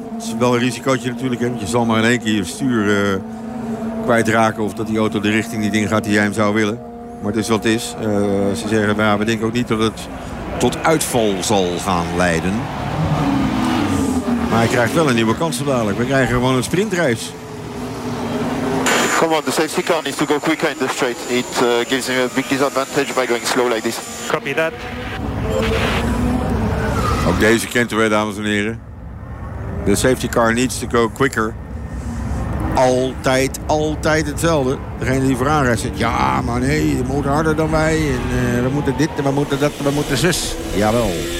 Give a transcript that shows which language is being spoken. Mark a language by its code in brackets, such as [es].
[nl] Het is wel een risicootje natuurlijk, hè? Je zal maar in één keer je stuur kwijtraken of dat die auto de richting niet ingaat die jij hem zou willen. Maar het is wat het is. Ze zeggen, maar ja, we denken ook niet dat het tot uitval zal gaan leiden. Maar hij krijgt wel een nieuwe kans dadelijk. We krijgen gewoon een sprintreis. [en] Come on, the safety car needs to go quicker in the straight. It gives him a big disadvantage by going slow like this. Copy that. [nl] Ook deze kent u, dames en heren. [en] The safety car needs to go quicker. [nl] Altijd, altijd hetzelfde. Degene die vooraan rijdt zegt, ja, maar nee, je moet harder dan wij. En we moeten dit en we moeten dat en we moeten zus. Jawel.